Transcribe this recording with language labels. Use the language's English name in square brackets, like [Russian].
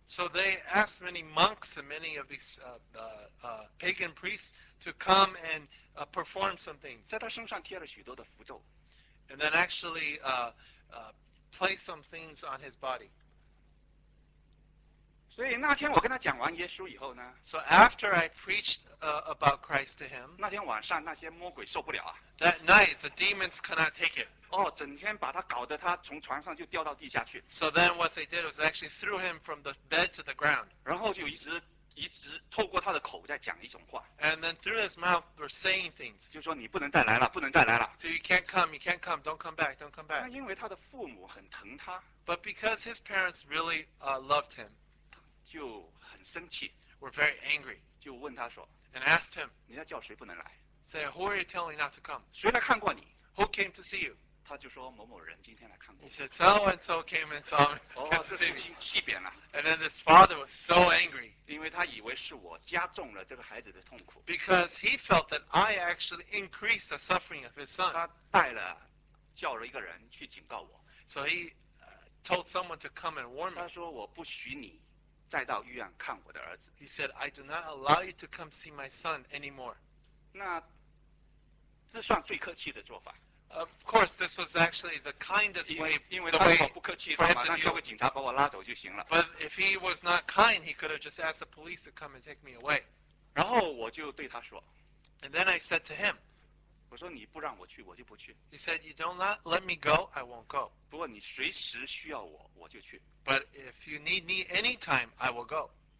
[English] So they asked many monks and many of these pagan priests to come and perform some things. [Chinese] 在他身上贴了许多的符咒 [English] ，And then actually place some things on his body. [Chinese] 所以那天我跟他讲完耶稣以后呢 [English] ，So after I preached about Christ to him， [Chinese] 那天晚上那些魔鬼受不了啊。 [English] That night the demons could not take it。 [Chinese] 哦，整天把他搞得他从床上就掉到地下去。 [English] So then what they did was actually threw him from the bed to the ground。 [Chinese] 然后就一直透过他的口在讲一种话。 [English] And then through his mouth were saying things。 [Chinese] 就说你不能再来了，不能再来了。 [English] So you can't come, you can't come, don't come back, don't come back。 [Chinese] 那因为他的父母很疼他。 [English] But because his parents really loved him。 [Chinese] 就很生气 [English] ，were very angry， [Chinese] 就问他说 [English] ，and asked him， [Chinese] 你在叫谁不能来 [English] ？say who are you telling not to come？ [Chinese] 谁来看过你 [English] ？who came to see you？ [Chinese] 他就说某某人今天来看过。 [English] he said so and so came and saw me。 [Chinese] 哦，这父亲气扁了。 [English] and then his father was so angry， [Chinese] 因为他以为是我加重了这个孩子的痛苦。 [English] because he felt that I actually increased the suffering of his son。 [Chinese] 他带了，叫了一个人去警告我。 [English] so he told someone to come and warn me。 [Chinese] 他说我不许你。再到医院看我的儿子。 [English] He said, "I do not allow you to come see my son anymore." [Chinese] 那这算最客气的做法。 [English] Of course, this was actually the kindest way. [Chinese] 因为他如果不客气，马上叫个警察把我拉走就行了。 [English] But if he was not kind, he could have just asked the police to come and take me away. [Chinese] 然后我就对他说。 [English] And then I said to him, [Chinese] 我说你不让我去，我就不去。 [English] He said, "You don't let me go, I won't go." [Chinese] 不过你随时需要我，我就去。 [English] But if you need me anytime, I will go.